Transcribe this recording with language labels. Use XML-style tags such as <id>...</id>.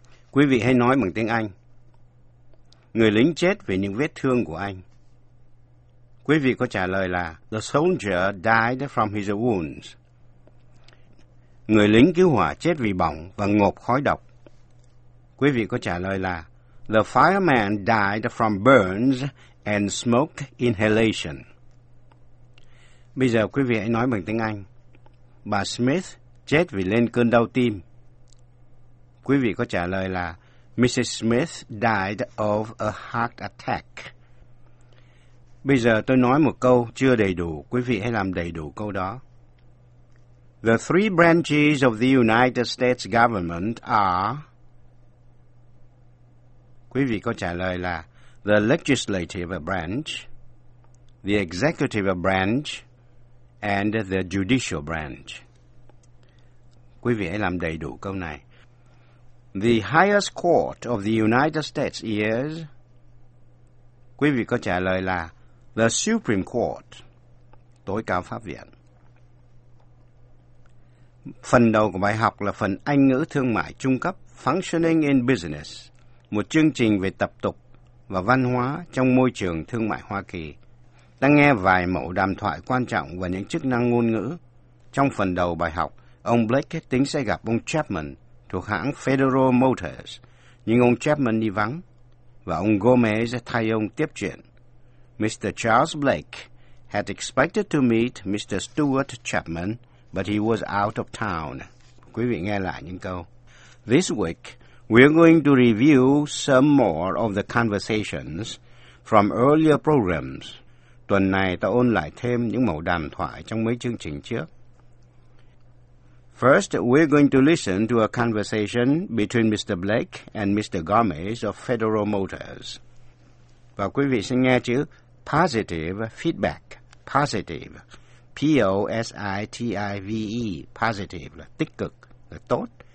<vi>Quý vị hãy nói bằng tiếng Anh. Người lính chết vì những vết thương của anh. Quý vị có trả lời là</vi> <en>the soldier died from his wounds.</en> <vi>Người lính cứu hỏa chết vì bỏng và ngộp khói độc. Quý vị có trả lời là</vi> <en>the fireman died from burns and smoke inhalation. Bây giờ quý vị hãy nói bằng tiếng Anh. Bà Smith chết vì lên cơn đau tim.</en> <vi>Quý vị có trả lời là</vi> <en>Mrs. Smith died of a heart attack.</en> <vi>Bây giờ tôi nói một câu chưa đầy đủ, quý vị hãy làm đầy đủ câu đó.</vi> <en>The three branches of the United States government are...</en> <vi>Quý vị có trả lời là</vi> <en>the legislative branch, the executive branch, and the judicial branch.</en> <vi>Quý vị hãy làm đầy đủ câu này.</vi> <en>The highest court of the United States is...</en> <vi>Quý vị có trả lời là the Supreme Court, tối cao pháp viện. Phần đầu của bài học là phần Anh ngữ thương mại trung cấp, Functioning in Business, một chương trình về tập tục và văn hóa trong môi trường thương mại Hoa Kỳ. Ta nghe vài mẫu đàm thoại quan trọng và những chức năng ngôn ngữ. Trong phần đầu bài học, ông Blake tính sẽ gặp ông Chapman thuộc hãng Federal Motors, nhưng ông Chapman đi vắng và ông Gomez thay ông tiếp chuyện.</vi> <en>Mr. Charles Blake had expected to meet Mr. Stuart Chapman, but he was out of town.</en> <vi>Quý vị nghe lại những câu.</vi> <en>This week, we are going to review some more of the conversations from earlier programs.</en> <vi>Tuần này ta ôn lại thêm những mẫu đàm thoại trong mấy chương trình trước.</vi> <en>First, we are going to listen to a conversation between Mr. Blake and Mr. Gomez of Federal Motors.</en> <vi>Và quý vị sẽ nghe chữ positive feedback, positive, P-O-S-I-T-I-V-E, positive, là tích cực, là tốt.</vi>